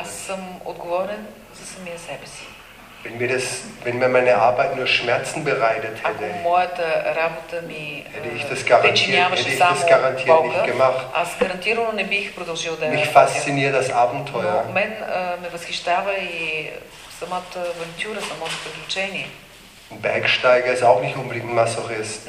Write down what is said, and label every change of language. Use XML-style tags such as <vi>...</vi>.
<bg>Аз съм отговорен за самия себе си.</bg> <de>Wenn mir meine Arbeit nur Schmerzen bereitet hätte,</de> <bg>ако моята работа ми причиняваше само болка, аз гарантирано не бих продължил да я правя. Но мен ме възхищава и самата авантюра, самото приключение.</bg> <de>Ein Bergsteiger ist auch nicht unbedingt Masochist.</de>